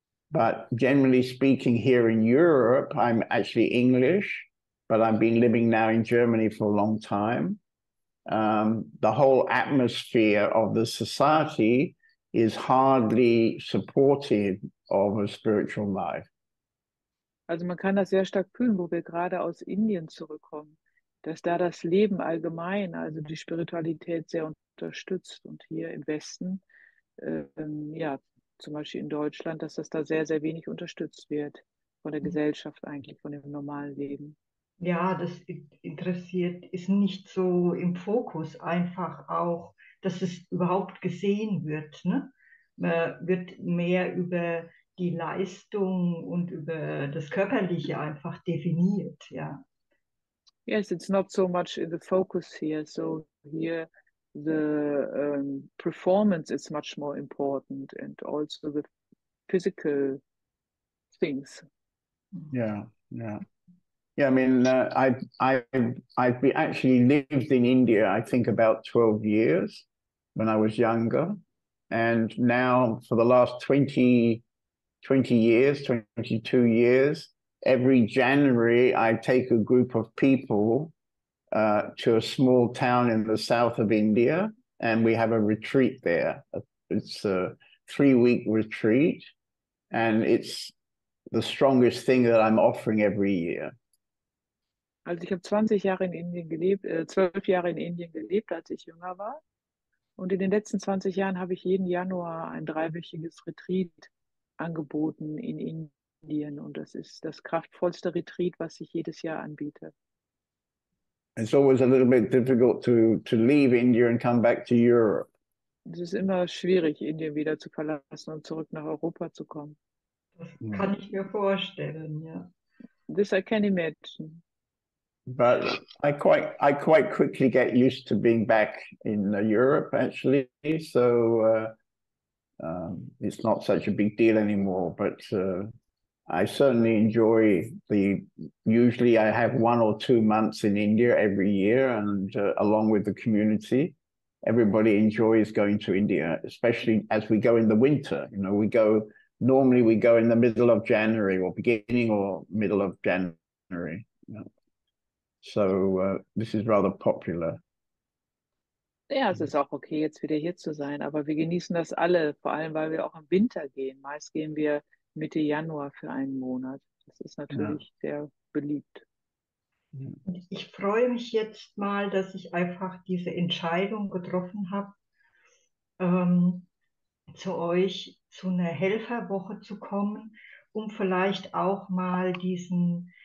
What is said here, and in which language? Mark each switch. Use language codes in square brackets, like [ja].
[en] But generally speaking, here in Europe, I'm actually English, but I've been living now in Germany for a long time. The whole atmosphere of the society is hardly supportive of a spiritual life. [de] Also man kann das sehr stark fühlen, wo wir gerade aus Indien zurückkommen, dass da das Leben allgemein, also die Spiritualität sehr unterstützt und hier im Westen, ja, zum Beispiel in Deutschland, dass das da sehr, sehr wenig unterstützt wird von der Gesellschaft eigentlich, von dem normalen Leben. Ja, das interessiert, ist nicht so im Fokus, einfach auch, dass es überhaupt gesehen wird, ne? Man wird mehr über die Leistung und über das Körperliche einfach definiert, ja. [en] Yes, it's not so much in the focus here. So here the performance is much more important, and also the physical things. Yeah, I mean, I've been actually lived in India, I think about 12 years when I was younger, and now for the last 20 years, 22 years, every January, I take a group of people to a small town in the south of India, and we have a retreat there. It's a 3-week retreat, and it's the strongest thing that I'm offering every year. [de] Also ich habe 20 Jahre in Indien gelebt, 12 Jahre in Indien gelebt, als ich jünger war. Und in den letzten 20 Jahren habe ich jeden Januar ein dreiwöchiges Retreat angeboten in Indien. Und das ist das kraftvollste Retreat, was ich jedes Jahr anbiete. [en] It's always a little bit difficult to leave India and come back to Europe. [de] Es ist immer schwierig, Indien wieder zu verlassen und zurück nach Europa zu kommen. Das kann ich mir vorstellen, ja. [en] This I can imagine. But I quite quickly get used to being back in Europe, actually. So it's not such a big deal anymore. But I certainly enjoy the. Usually, I have 1 or 2 months in India every year, and along with the community, everybody enjoys going to India, especially as we go in the winter. You know, we go normally we go in the middle of January or beginning or middle of January. So this is rather popular. [de] Ja, es ist auch okay, jetzt wieder hier zu sein, aber wir genießen das alle, vor allem, weil wir auch im Winter gehen. Meist gehen wir Mitte Januar für einen Monat. Das ist natürlich sehr beliebt. Ich freue mich jetzt mal, dass ich einfach diese Entscheidung getroffen habe, zu euch zu einer Helferwoche zu kommen, um vielleicht auch mal diesen